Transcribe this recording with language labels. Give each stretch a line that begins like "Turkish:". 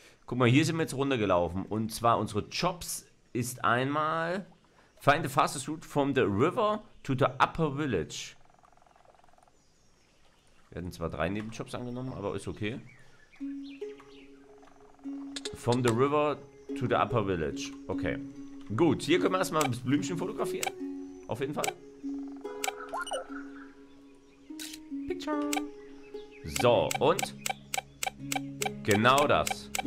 German: Guck mal, hier sind wir jetzt runtergelaufen. Und zwar unsere Jobs ist einmal
English: Find the fastest route from the river to the upper village.
German: Wir hatten zwar drei Nebenjobs angenommen, aber ist okay.
English: From the river to the upper village. Okay.
German: Gut, hier können wir erstmal das Blümchen fotografieren. Auf jeden Fall. Picture. So, und? Genau das.